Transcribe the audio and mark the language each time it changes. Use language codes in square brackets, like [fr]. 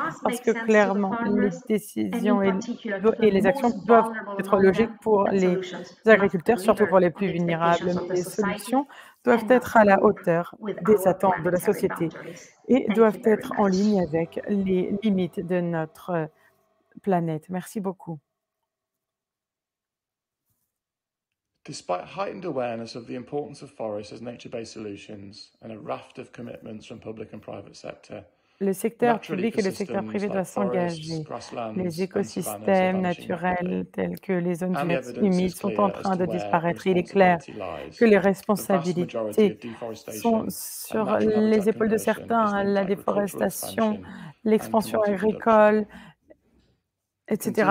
[fr] Parce que clairement, les décisions et les actions doivent être logiques pour les agriculteurs, surtout pour les plus vulnérables. Les solutions doivent être à la hauteur des attentes de la société et doivent être en ligne avec les limites de notre planète. Merci beaucoup. [en] Despite heightened awareness of the importance of forests as nature-based solutions and a raft of commitments from public and private sector, [fr] le secteur public et le secteur privé doivent s'engager. Les écosystèmes naturels tels que les zones humides sont en train de disparaître. Il est clair que les responsabilités sont sur les épaules de certains, la déforestation, l'expansion agricole, etc.